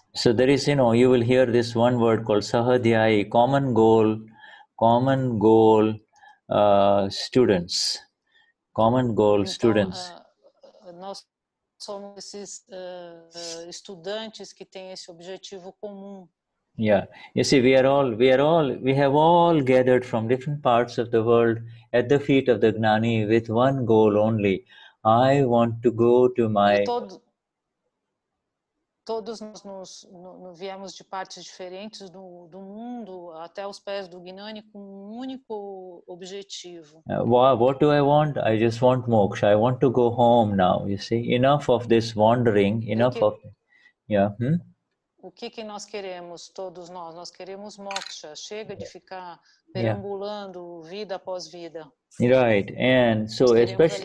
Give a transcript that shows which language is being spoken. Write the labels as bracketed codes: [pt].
[en] So there is, you know, you will hear this one word called sahadhyayi, common goal, students, common goal [pt] então, [en] students. [pt] Nós somos esses estudantes que têm esse objetivo comum. [en] Yeah, you see, we have all gathered from different parts of the world at the feet of the Gnani with one goal only. I want to go to my. [pt] Todos nós nos viemos de partes diferentes do mundo até os pés do Gnani com um único objetivo. [en] What do I want? I just want moksha. I want to go home now, you see. Enough of this wandering, enough of... Yeah. Hmm? [pt] O que nós queremos, todos nós? Nós queremos moksha. Chega de ficar perambulando vida após vida. [en] Right. And so especially...